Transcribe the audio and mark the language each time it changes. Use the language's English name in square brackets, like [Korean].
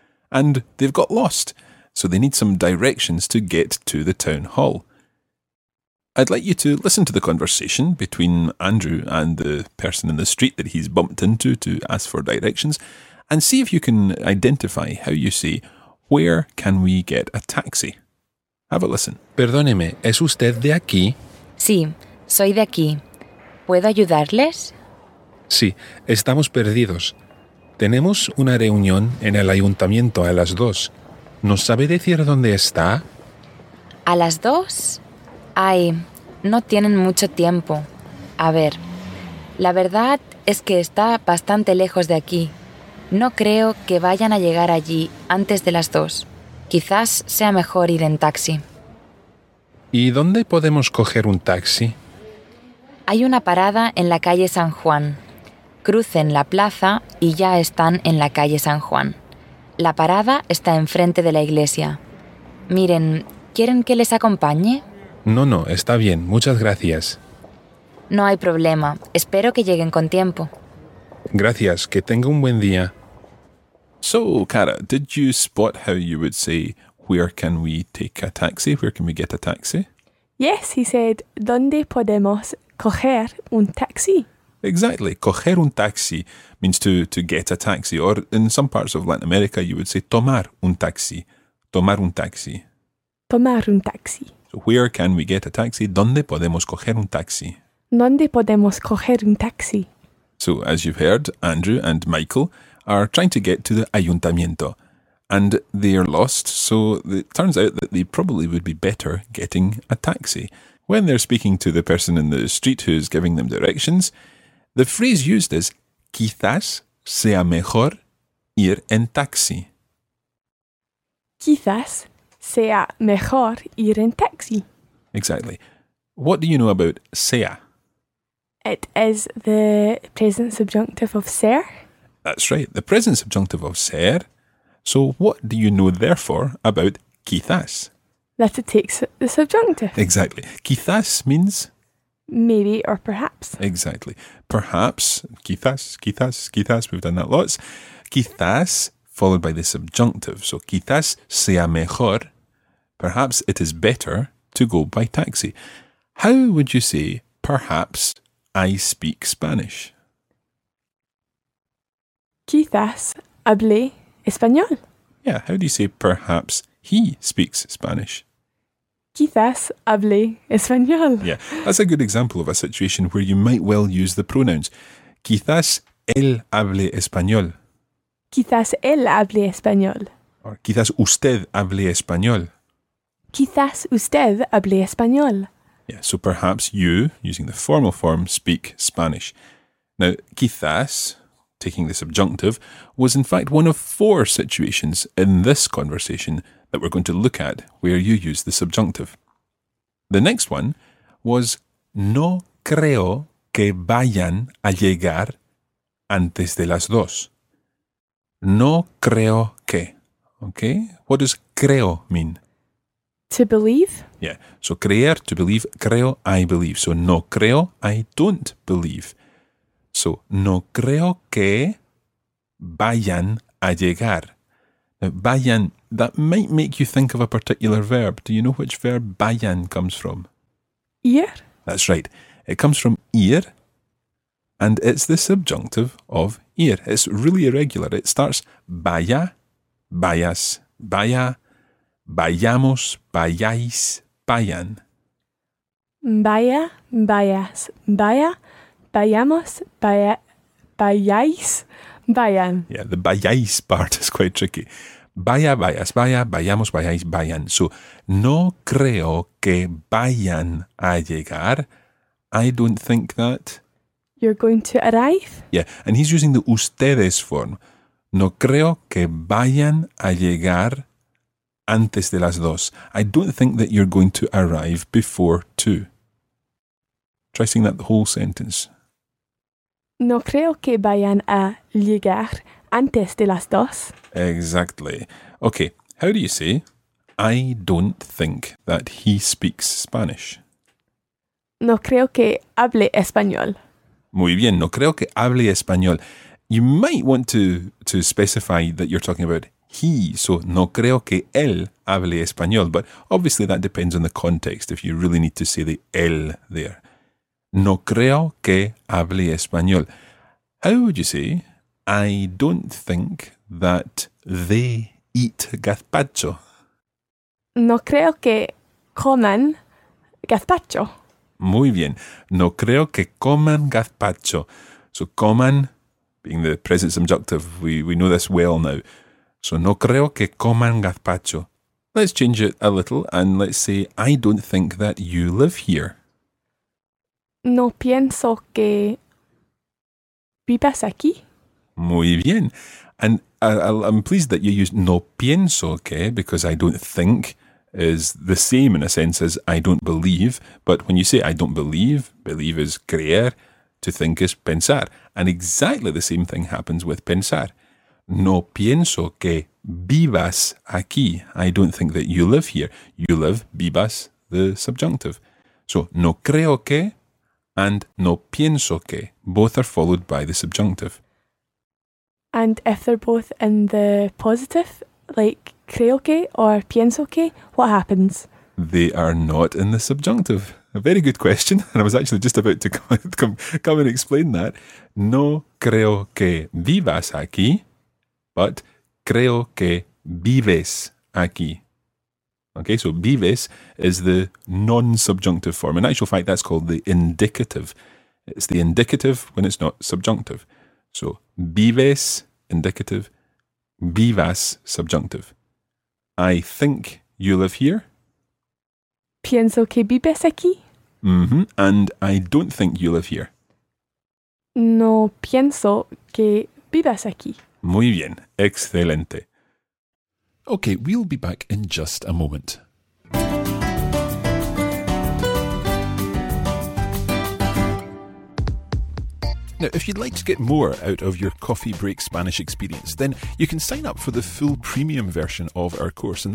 [English] And they've got lost, so they need some directions to get to the town hall. I'd like you to listen to the conversation between Andrew and the person in the street that he's bumped into to ask for directions, and see if you can identify how you say, "Where can we get a taxi?" Have a listen. [Spanish] Perdóneme, ¿es usted de aquí? Sí, soy de aquí. ¿Puedo ayudarles? Sí, estamos perdidos. Tenemos una reunión en el ayuntamiento a las 2. ¿Nos sabe decir dónde está? ¿A las 2? Ay, no tienen mucho tiempo. A ver, la verdad es que está bastante lejos de aquí. No creo que vayan a llegar allí antes de las 2. Quizás sea mejor ir en taxi. ¿Y dónde podemos coger un taxi? Hay una parada en la calle San Juan. Crucen la plaza y ya están en la calle San Juan. La parada está enfrente de la iglesia. Miren, ¿quieren que les acompañe? No, está bien, muchas gracias. No hay problema, espero que lleguen con tiempo. Gracias, que tenga un buen día. [English] So, Cara, did you spot how you would say, "Where can we take a taxi? Where can we get a taxi?" Yes, he said, [Spanish] "¿Dónde podemos coger un taxi?" [English] Exactly. [Spanish] Coger un taxi [English] means to get a taxi. Or in some parts of Latin America, you would say, [Spanish] "Tomar un taxi." Tomar un taxi. Tomar un taxi. [English] So, where can we get a taxi? [Spanish] ¿Dónde podemos coger un taxi? ¿Dónde podemos coger un taxi? [English] So, as you've heard, Andrew and Michael are trying to get to the ayuntamiento, and they are lost, so it turns out that they probably would be better getting a taxi. When they're speaking to the person in the street who's giving them directions, the phrase used is, [Spanish] quizás sea mejor ir en taxi. Quizás sea mejor ir en taxi. [English] Exactly. What do you know about sea? It is the present subjunctive of ser. That's right, the present subjunctive of ser. So what do you know, therefore, about quizás? That it takes the subjunctive. Exactly. Quizás means? Maybe or perhaps. Exactly. Perhaps, quizás, quizás, quizás, we've done that lots. Quizás followed by the subjunctive. So [Spanish] quizás sea mejor, [English] perhaps it is better to go by taxi. How would you say, perhaps I speak Spanish? [Spanish] Quizás hable español. [English] Yeah, how do you say perhaps he speaks Spanish? [Spanish] Quizás hable español. [English] Yeah, that's a good example of a situation where you might well use the pronouns. [Spanish] Quizás él hable español. Quizás él hable español. Or quizás usted hable español. Quizás usted hable español. [English] Yeah, so perhaps you, using the formal form, speak Spanish. Now, quizás, taking the subjunctive, was in fact one of four situations in this conversation that we're going to look at where you use the subjunctive. The next one was, [Spanish] no creo que vayan a llegar antes de las dos. No creo que. [English] Okay? What does creo mean? To believe? Yeah. So creer, to believe. Creo, I believe. So [Spanish] no creo, [English] I don't believe. [Spanish] So no creo que vayan a llegar. [English] Now, vayan, that might make you think of a particular verb. Do you know which verb vayan comes from? [Spanish] Ir. [English] That's right. It comes from ir, and it's the subjunctive of ir. It's really irregular. It starts [Spanish] vaya, vayas, vaya, vayamos, vayáis, vayan. Vaya, vayas, vaya, vayamos, vayáis, vayan. [English] Yeah, the vayáis part is quite tricky. [Spanish] Vaya, vayas, vaya, vayamos, vayáis, vayan. So, no creo que vayan a llegar. [English] I don't think that. You're going to arrive? Yeah, and he's using the ustedes form. [Spanish] No creo que vayan a llegar antes de las dos. [English] I don't think that you're going to arrive before two. Try saying that the whole sentence. [Spanish] No creo que vayan a llegar antes de las dos. [English] Exactly. Okay, how do you say, I don't think that he speaks Spanish? [Spanish] No creo que hable español. Muy bien, no creo que hable español. [English] You might want to specify that you're talking about he, so [Spanish] no creo que él hable español, [English] but obviously that depends on the context, if you really need to say the él there. [Spanish] No creo que hable español. [English] How would you say, I don't think that they eat gazpacho? [Spanish] No creo que coman gazpacho. Muy bien. No creo que coman gazpacho. [English] So coman, being the present subjunctive, we know this well now. [Spanish] So no creo que coman gazpacho. [English] Let's change it a little and let's say, I don't think that you live here. [Spanish] No pienso que vivas aquí. Muy bien. [English] And I'm pleased that you used [Spanish] no pienso que, [English] because I don't think is the same in a sense as I don't believe. But when you say I don't believe, believe is creer, to think is pensar. And exactly the same thing happens with pensar. [Spanish] No pienso que vivas aquí. [English] I don't think that you live here. You live, vivas, the subjunctive. [Spanish] So no creo que and no pienso que. [English] Both are followed by the subjunctive. And if they're both in the positive, like creo que or pienso que, what happens? They are not in the subjunctive. A very good question. And I was actually just about to come and explain that. [Spanish] No creo que vivas aquí, but creo que vives aquí. [English] Okay, so vives is the non-subjunctive form. In actual fact, that's called the indicative. It's the indicative when it's not subjunctive. So vives, indicative, vivas, subjunctive. I think you live here. [Spanish] Pienso que vives aquí. Mm-hmm. [English] And I don't think you live here. [Spanish] No pienso que vives aquí. Muy bien. Excelente. [English] Okay, we'll be back in just a moment. Now, if you'd like to get more out of your Coffee Break Spanish experience, then you can sign up for the full premium version of our course.